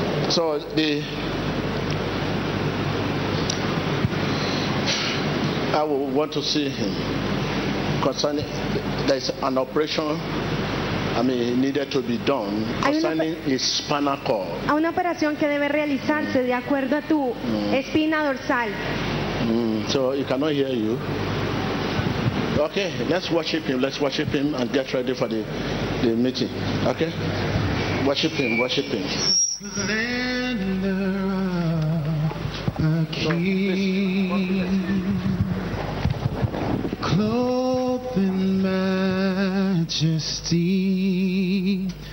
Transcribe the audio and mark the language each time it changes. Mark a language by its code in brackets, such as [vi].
[en] So I will want to see him concerning, there is an operation, I mean, needed to be done concerning his spinal cord. [es] A una operación que debe realizarse de acuerdo a tu espina dorsal. [en] So he cannot hear you. Okay, let's worship him. Let's worship him and get ready for the meeting. Okay, worship him. Worship him. Splendor of a king, clothed in majesty.